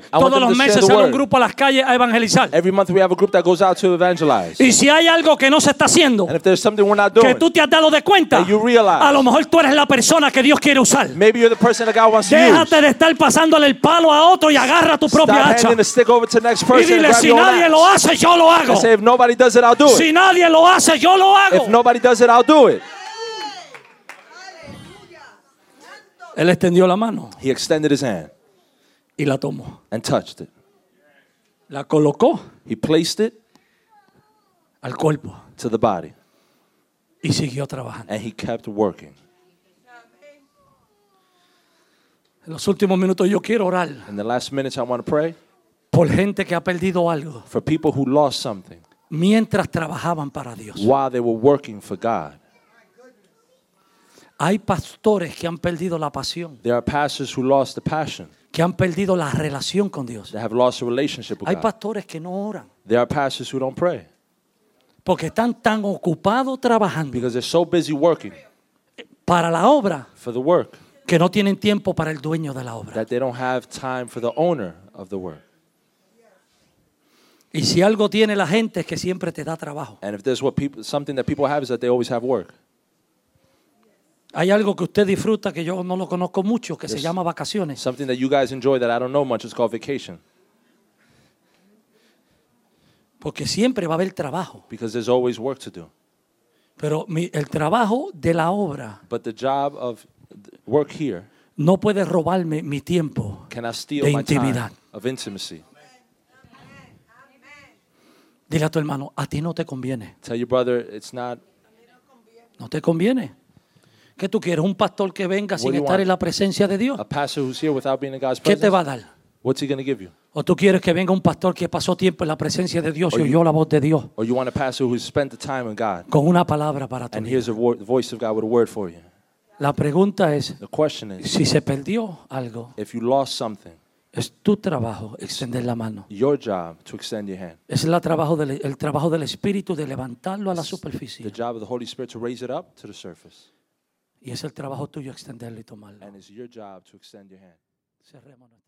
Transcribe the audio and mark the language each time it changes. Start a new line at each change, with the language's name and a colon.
Spanish: Todos los meses sale un grupo a las calles a evangelizar.
English: Every month we have a group that goes out to evangelize.
Spanish: Y si hay algo que no se está haciendo,
English: and if there's something we're not doing,
Spanish: que tú te has dado de cuenta,
English: that you realize,
Spanish: a lo mejor tú eres la persona que Dios quiere usar.
English: Maybe you're the person that God wants
Spanish: déjate
English: to use.
Spanish: Déjate de estar pasándole el palo a otro y agarra tu
English: stop
Spanish: propia hacha.
English: Stop handing the stick over to the next person.
Spanish: Y dile, si nadie lo hace, yo lo hago.
English: Say, if nobody does it, I'll do it.
Spanish: Si nadie lo hace, yo lo hago.
English: If nobody does it, I'll do it.
Spanish: Él extendió la mano.
English: He extended his hand.
Spanish: Y la tomó.
English: And touched it.
Spanish: La colocó.
English: He placed it.
Spanish: Al cuerpo.
English: To the body.
Spanish: Y siguió trabajando.
English: And he kept working.
Spanish: En los últimos minutos yo quiero orar.
English: In the last minutes I want to pray.
Spanish: Por gente que ha perdido algo.
English: For people who lost something.
Spanish: Mientras trabajaban para Dios.
English: While they were working for God.
Spanish: Hay pastores que han perdido la pasión.
English: There are pastors who lost the passion.
Spanish: Que han perdido la relación con Dios.
English: They have lost a relationship with
Spanish: Hay
English: God.
Spanish: Hay pastores que no oran.
English: There are pastors who don't pray.
Spanish: Porque están tan ocupados trabajando.
English: Because they're so busy working.
Spanish: Para la obra.
English: For the work.
Spanish: Que no tienen tiempo para el dueño de la obra.
English: That they don't have time for the owner of the work.
Spanish: Y si algo tiene la gente es que siempre te da trabajo.
English: And if there's what people, something that people have is that they always have work.
Spanish: Hay algo que usted disfruta que yo no lo conozco mucho que se llama vacaciones.
English: Something that you guys enjoy that I don't know much is called vacation.
Spanish: Porque siempre va a haber trabajo.
English: Because there's always work to do.
Spanish: Pero el trabajo de la obra.
English: But the job of work here.
Spanish: No puede robarme mi tiempo.
English: Cannot steal
Spanish: de intimidad.
English: My time of intimacy.
Spanish: Dile a tu hermano, a ti no te conviene.
English: Tell your brother, it's not.
Spanish: No te conviene. ¿Qué tú quieres? Un pastor que venga sin estar en la presencia de Dios.
English: A pastor who's here without being in God's presence.
Spanish: ¿Qué te va a dar?
English: What's he going to give you?
Spanish: O tú quieres que venga un pastor que pasó tiempo en la presencia de Dios y oyó la voz de Dios.
English: Or you want a pastor who's spent the time in God.
Spanish: Con una palabra para tu vida.
English: And hears the voice of God with a word for you.
Spanish: La pregunta es,
English: the question is,
Spanish: si se perdió algo,
English: if you lost something.
Spanish: Es tu trabajo extender la mano.
English: Your job to extend your hand.
Spanish: Es el trabajo del Espíritu de levantarlo a la superficie.
English: The job of the Holy Spirit to raise it up to the surface.
Spanish: Y es el trabajo tuyo extenderlo y tomarlo.
English: And it's your job to extend your hand. Cerrémonos.